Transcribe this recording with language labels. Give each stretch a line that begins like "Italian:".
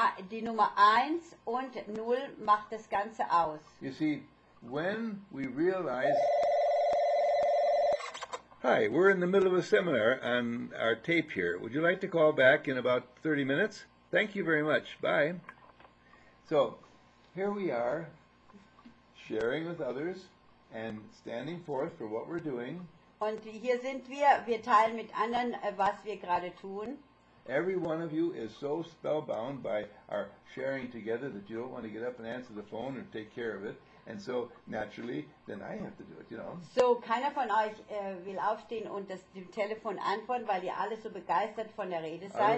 German: Die Nummer 1 und 0 macht das Ganze aus.
English: You see, when we realize... Hi, we're in the middle of a seminar on our tape here. Would you like to call back in about 30 minutes? Thank you very much. Bye. So, here we are, sharing with others and standing forth for what we're doing.
German: Und hier sind wir. Wir teilen mit anderen, was wir gerade tun.
English: Every one of you is so spellbound by our sharing together that you don't want to get up and answer the phone or take care of it. And so, naturally, then I have to do it, you know.
German: So, keiner von euch will aufstehen und das dem Telefon antworten, weil ihr alle so begeistert von der Rede seid.